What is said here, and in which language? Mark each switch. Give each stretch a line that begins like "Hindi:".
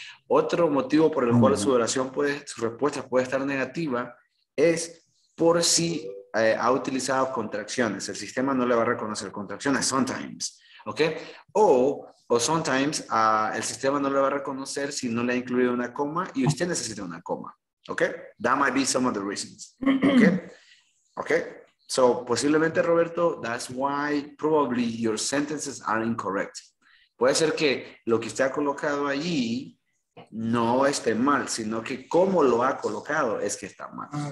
Spanish: Otro motivo por el cual su respuesta puede estar negativa es por si ha utilizado contracciones. El sistema no le va a reconocer contracciones, sometimes. ¿Okay? O sometimes el sistema no le va a reconocer si no le ha incluido una coma y usted necesita una coma.
English: ¿Okay? That might be some of the reasons. ¿Okay? ¿Okay? So, posiblemente, Roberto, that's why probably your sentences are incorrect.
Spanish: Puede ser que lo que usted ha colocado allí no esté mal, sino que como lo ha colocado es que está mal.